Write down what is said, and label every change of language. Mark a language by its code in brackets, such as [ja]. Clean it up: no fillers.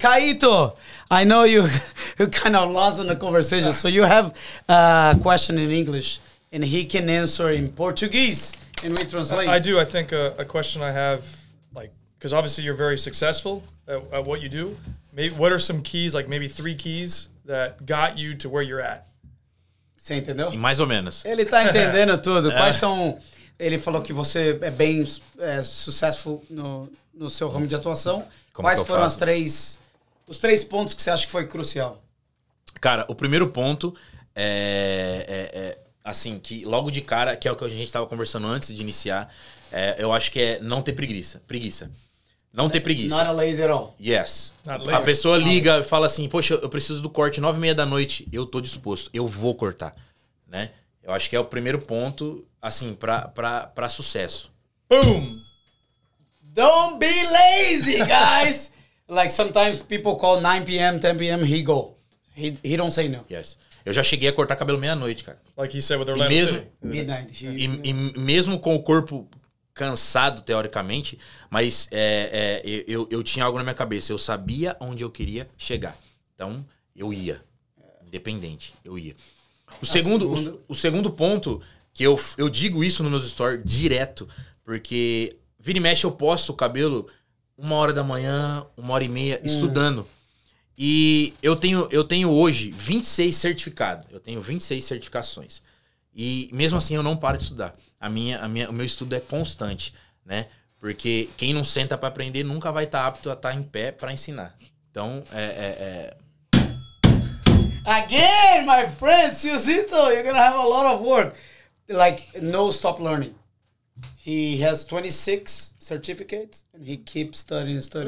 [en] Kaito, I know you kind of lost in the conversation, so you have a question in English, and he can answer in Portuguese, and we translate. I do. I think a question I have, like, because obviously you're very successful at what you do. Maybe, what are some keys, like maybe 3 keys that got you to where you're at? [pt] Você entendeu? E mais ou menos. Ele tá entendendo tudo. Quais são... Ele falou que você é bem successful no seu ramo de atuação. Como quais foram os três pontos que você acha que foi crucial? Cara, o primeiro ponto é assim, que logo de cara, que é o que a gente estava conversando antes de iniciar, eu acho que é não ter preguiça. Preguiça. Não ter preguiça. Not a laser on. [en] Yes. [pt] A pessoa liga e fala assim, poxa, eu preciso do corte 9:30 da noite. Eu tô disposto. Eu vou cortar. Né? Eu acho que é o primeiro ponto, assim, pra sucesso. [en] Boom! Don't be lazy, guys! Like, sometimes people call 9 p.m., 10 p.m., he go. He don't say no. Yes. [pt] Eu já cheguei a cortar cabelo meia-noite, cara. [en] Like he said with Orlando City. Midnight. [pt] E mesmo com o corpo cansado, teoricamente, mas eu tinha algo na minha cabeça. Eu sabia onde eu queria chegar. Então, eu ia. Independente, eu ia. O segundo ponto, que eu digo isso no meu story direto, porque... Vira e mexe, eu posto o cabelo 1h, 1h30, estudando. E eu tenho hoje 26 certificados. Eu tenho 26 certificações. E mesmo assim, eu não paro de estudar. O meu estudo é constante, né? Porque quem não senta pra aprender nunca vai estar apto a estar em pé pra ensinar. Então, [en] Again, my friend, Ciozito, you're gonna have a lot of work. Like, no stop learning. He has 26 certificates and he keeps studying.